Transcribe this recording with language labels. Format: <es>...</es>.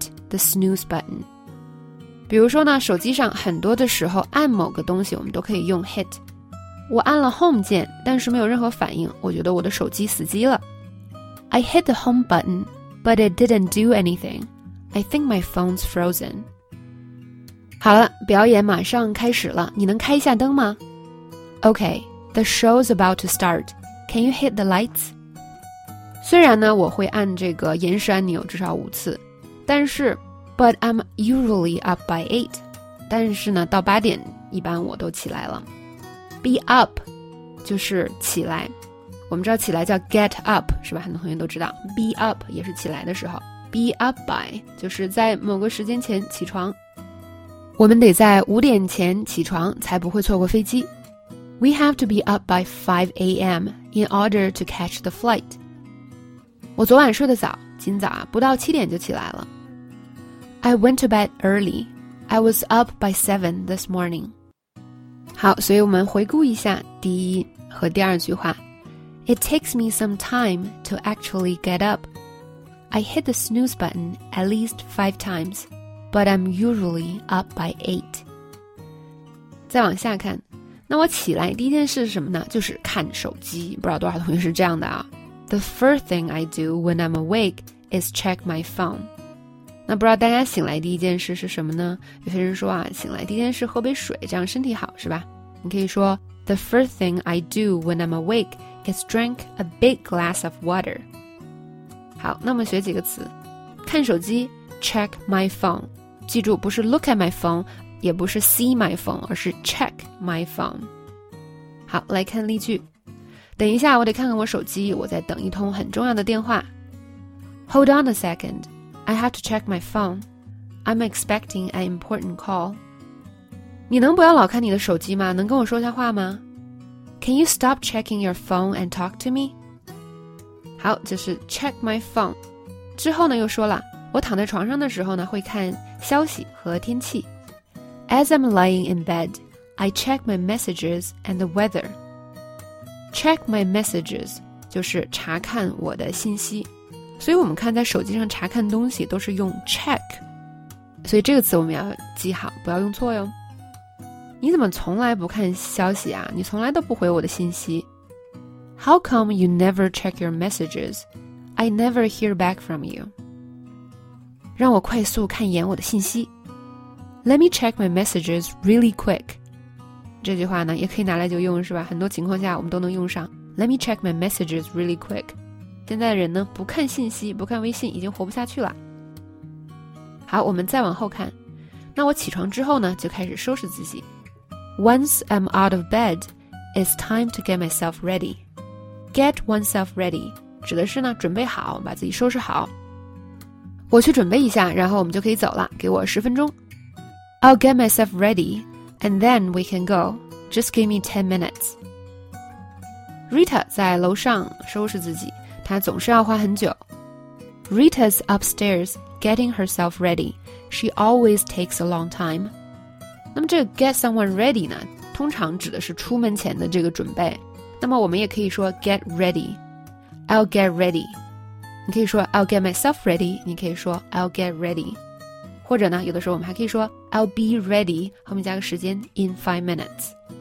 <zh>The snooze button， 比如说呢，手机上很多的时候按某个东西我们都可以用 hit。我按了 home 键但是没有任何反应，我觉得我的手机死机了。</zh> <en>I hit the home button but it didn't do anything. I think my phone's frozen.</en> <zh>好了，表演马上开始了，你能开一下灯吗？</zh> <en>OK, the show's about to start. Can you hit the lights?</en> <zh>虽然呢我会按这个延时按钮至少五次，但是</zh> <en>but I'm usually up by 8,</en> <zh>但是呢到八点一般我都起来了。 be up 就是起来，我们知道起来叫 get up 是吧，很多同学都知道 be up 也是起来的时候。 be up by 就是在某个时间前起床，我们得在5点前起床才不会错过飞机。</zh> <en>we have to be up by 5 a.m. in order to catch the flight.</en> <zh>我昨晚睡得早，今早啊不到7点就起来了。</zh> <en>I went to bed early. I was up by 7 this morning.</en> <zh>好，所以我们回顾一下第一和第二句话。</zh> <en>It takes me some time to actually get up. I hit the snooze button at least 5 times, but I'm usually up by 8.</en> <zh>再往下看，那我起来第一件事是什么呢？就是看手机，不知道多少同学是这样的啊。</zh> <en>The first thing I do when I'm awake is check my phone.</en> <zh>那不知道大家醒来第一件事是什么呢？有些人说啊，醒来第一件事喝杯水，这样身体好，是吧？你可以说</zh> <en>The first thing I do when I'm awake is drink a big glass of water.</en> <zh>好，那我们学几个词。看手机 check my phone. 记住，不是 look at my phone， 也不是 see my phone， 而是 check my phone. 好，来看例句。等一下，我得看看我手机，我在等一通很重要的电话。</zh> <en>Hold on a second, I have to check my phone. I'm expecting an important call.</en> <zh>你能不要老看你的手机吗？能跟我说下话吗？</zh> <en>Can you stop checking your phone and talk to me?</en> <zh>好，就是</zh> <en>check my phone.</en> <zh>之后呢又说了，我躺在床上的时候呢会看消息和天气。</zh> <en>As I'm lying in bed, I check my messages and the weather.</en> <zh>Check my messages 就是查看我的信息，所以我们看在手机上查看东西都是用 check， 所以这个词我们要记好，不要用错哟。你怎么从来不看消息啊？你从来都不回我的信息。</zh> <en>How come you never check your messages? I never hear back from you.</en> <zh>让我快速看一眼我的信息。</zh> <en>Let me check my messages really quick.</en> <zh>这句话呢也可以拿来就用，是吧？很多情况下我们都能用上。</zh> <en>Let me check my messages really quick。</en> <zh>现在的人呢不看信息，不看微信已经活不下去了。好，我们再往后看。那我起床之后呢就开始收拾自己。</zh> <en>Once I'm out of bed, it's time to get myself ready.</en> <zh>Get oneself ready 指的是呢准备好，把自己收拾好。我去准备一下，然后我们就可以走了，给我十分钟。</zh> <en>I'll get myself ready and then we can go. Just give me 10 minutes.</en> <zh>Rita 在楼上收拾自己，她总是要花很久。</zh> <en>Rita's upstairs getting herself ready. She always takes a long time.</en> <zh>那么这个 get someone ready 呢，通常指的是出门前的这个准备。那么我们也可以说 get ready.</zh> <en>I'll get ready.</en> <zh>你可以说</zh> <en>I'll get myself ready，</en> <zh>你可以说</zh> <en>I'll get ready，</en> <zh>或者呢有的时候我们还可以说</zh> <en>I'll be ready，</en> <zh>后面加个时间 in 5 minutes。</zh>